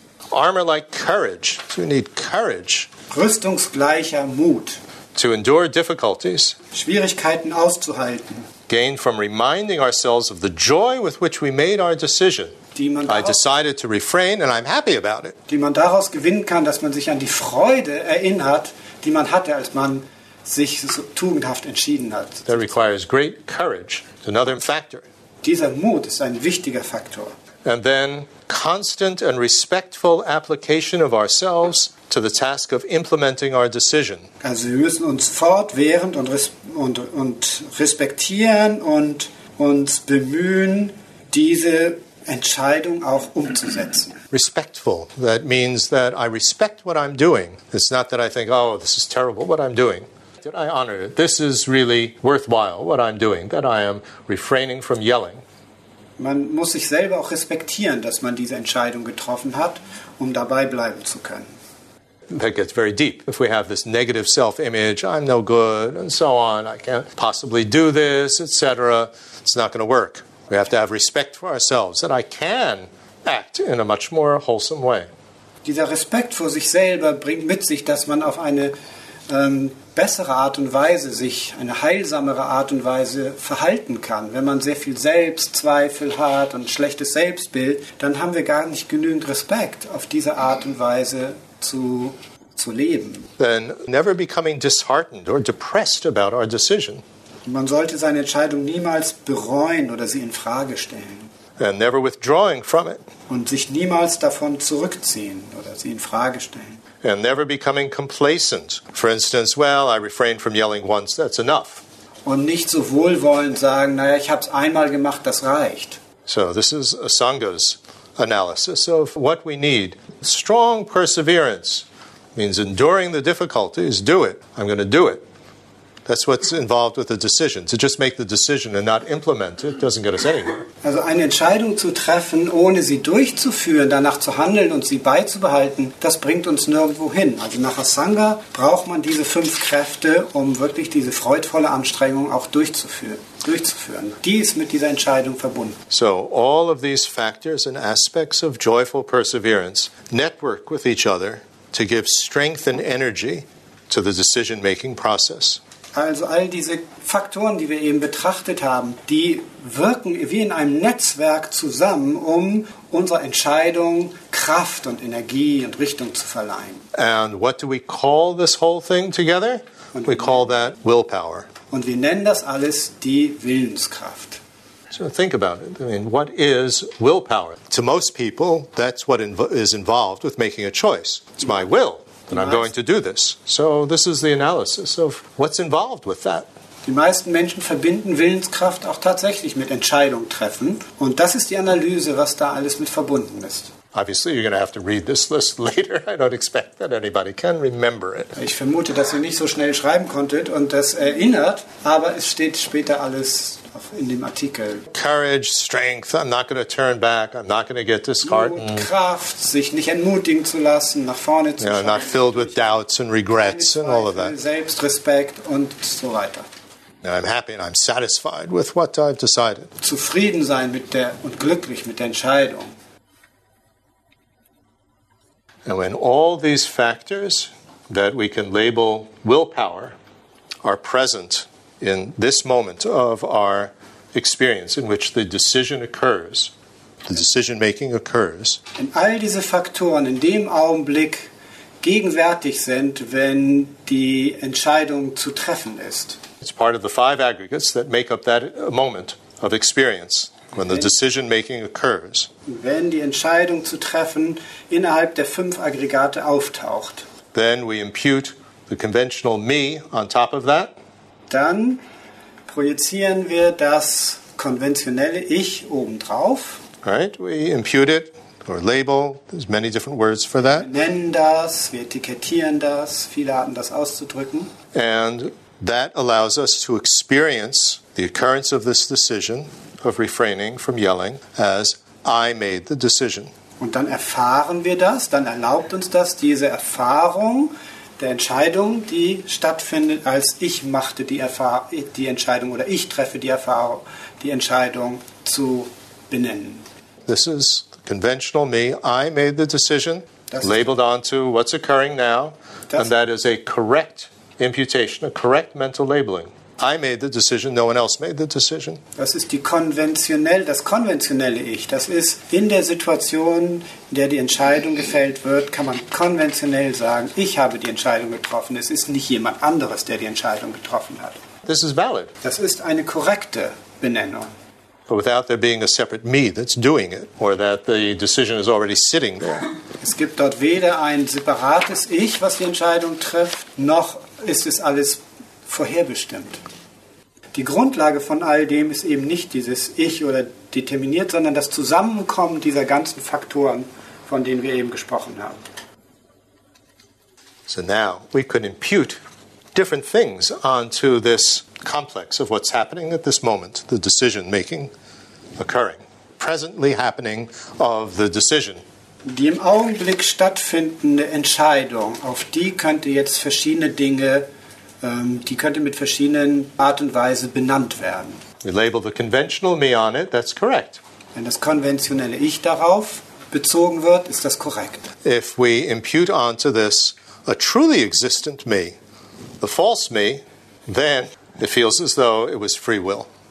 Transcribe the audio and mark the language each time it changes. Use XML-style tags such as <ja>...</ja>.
<en>Armor-like courage. So we need courage.</en> <de>Rüstungsgleicher Mut.</de> <en>To endure difficulties.</en> <de>Schwierigkeiten auszuhalten.</de> <en>Gain from reminding ourselves of the joy with which we made our decision. I decided to refrain and I'm happy about it.</en> <de>Die man daraus gewinnen kann, dass man sich an die Freude erinnert, die man hatte, als man sich so tugendhaft entschieden hat.</de> <en>That requires great courage. It's another factor.</en> <de>Dieser Mut ist ein wichtiger Faktor.</de> <en>And then constant and respectful application of ourselves to the task of implementing our decision.</en> <de>Also wir müssen uns fortwährend und respektieren und uns bemühen, diese Entscheidung auch umzusetzen.</de> <en>Respectful, that means that I respect what I'm doing. It's not that I think, oh, this is terrible what I'm doing. That I honor it. This is really worthwhile what I'm doing, that I am refraining from yelling.</en> <de>Man muss sich selber auch respektieren, dass man diese Entscheidung getroffen hat, um dabei bleiben zu können.</de> <en>That gets very deep. If we have this negative self-image, I'm no good, and so on, I can't possibly do this, etc., it's not going to work. We have to have respect for ourselves, that I can act in a much more wholesome way.</en> <de>Dieser Respekt vor sich selber bringt mit sich, dass man auf eine bessere Art und Weise sich, eine heilsamere Art und Weise verhalten kann. Wenn man sehr viel Selbstzweifel hat und schlechtes Selbstbild, dann haben wir gar nicht genügend Respekt auf diese Art und Weise zu leben.</de> <en>Then never becoming disheartened or depressed about our decision.</en> <de>Man sollte seine Entscheidung niemals bereuen oder sie in Frage stellen.</de> <en>And never withdrawing from it.</en> <de>Und sich niemals davon zurückziehen oder sie in Frage stellen.</de> <en>And never becoming complacent. For instance, well, I refrained from yelling once, that's enough.</en> <de>Und nicht so wohlwollend sagen, naja, ich hab's einmal gemacht, das reicht.</de> <en>So this is Asanga's analysis of what we need. Strong perseverance means enduring the difficulties. Do it. I'm going to do it. That's what's involved with the decision. To just make the decision and not implement it doesn't get us anywhere.</en> <de>Also eine Entscheidung zu treffen, ohne sie durchzuführen, danach zu handeln und sie beizubehalten, das bringt uns nirgendwo hin. Also nach Asanga braucht man diese 5 Kräfte, um wirklich diese freudvolle Anstrengung auch durchzuführen. Die ist mit dieser Entscheidung verbunden.</de> <en>So all of these factors and aspects of joyful perseverance network with each other to give strength and energy to the decision-making process.</en> <de>Also all diese Faktoren, die wir eben betrachtet haben, die wirken wie in einem Netzwerk zusammen, um unserer Entscheidung Kraft und Energie und Richtung zu verleihen.</de> <en>And what do we call this whole thing together? We call that willpower.</en> <de>Und wir nennen das alles die Willenskraft.</de> <en>So think about it. I mean, what is willpower? To most people, that's what is involved with making a choice. It's my will. And I'm going to do this. So this is the analysis of what's involved with that.</en> <de>Die meisten Menschen verbinden Willenskraft auch tatsächlich mit Entscheidung treffen. Und das ist die Analyse, was da alles mit verbunden ist.</de> <en>Obviously, you're going to have to read this list later. I don't expect that anybody can remember it.</en> <de>Ich vermute, dass ihr nicht so schnell schreiben konntet und das erinnert, aber es steht später alles in dem Artikel.</de> <en>Courage, strength, I'm not going to turn back, I'm not going to get disheartened.</en> <de>Mut, Kraft, sich nicht entmutigen zu lassen, nach vorne zu schauen.</de> <en>Not filled with doubts and regrets and all of that.</en> <de>Selbstrespekt und so weiter.</de> <en>I'm happy and I'm satisfied with what I've decided.</en> <de>Zufrieden sein mit der und glücklich mit der Entscheidung.</de> <en>And when all these factors that we can label willpower are present in this moment of our experience in which the decision occurs, the decision making occurs.</en> <de>Wenn all diese Faktoren in dem Augenblick gegenwärtig sind, wenn die Entscheidung zu treffen ist.</de> <en>It's part of the five aggregates that make up that moment of experience. When the decision making occurs,</en> <de>wenn die Entscheidung zu treffen innerhalb der fünf Aggregate auftaucht,</de> <en>then we impute the conventional me on top of that.</en> <de>Dann projizieren wir das konventionelle Ich obendrauf.</de> <en>Right, we impute it or label. There's many different words for that.</en> <de>Wir nennen das, wir etikettieren das, viele Arten das auszudrücken.</de> <en>And that allows us to experience the occurrence of this decision. Of refraining from yelling as I made the decision.</en> <de>Und dann erfahren wir das, dann erlaubt uns das, diese Erfahrung der Entscheidung, die stattfindet, als ich machte die Entscheidung oder ich treffe die Erfahrung, die Entscheidung zu benennen.</de> <en>This is the conventional me. I made the decision, labeled onto what's occurring now, and that is a correct imputation, a correct mental labeling. I made the decision, no one else made the decision.</en> <de>Das ist das konventionelle Ich. Das ist in der Situation, in der die Entscheidung gefällt wird, kann man konventionell sagen, ich habe die Entscheidung getroffen. Es ist nicht jemand anderes, der die Entscheidung getroffen hat.</de> <en>This is valid.</en> <de>Das ist eine korrekte Benennung.</de> <en>But without there being a separate me that's doing it, or that the decision is already sitting there.</en> <de>Es gibt dort weder ein separates Ich, was die Entscheidung trifft, noch ist es alles vorherbestimmt. Die Grundlage von all dem ist eben nicht dieses Ich oder determiniert, sondern das Zusammenkommen dieser ganzen Faktoren, von denen wir eben gesprochen haben.</de> <en>So now we could impute different things onto this complex of what's happening at this moment, the decision making occurring, presently happening of the decision.</en> <de>Die im Augenblick stattfindende Entscheidung, auf die könnte jetzt verschiedene Dinge die könnte mit verschiedenen Art und Weise benannt werden.</de> <en>We label the conventional me on it, that's correct.</en> <de>Wenn das konventionelle Ich darauf bezogen wird, ist das korrekt.</de> <en>If we impute onto this a truly existent me, the false me, then it feels as though it was free will.</en>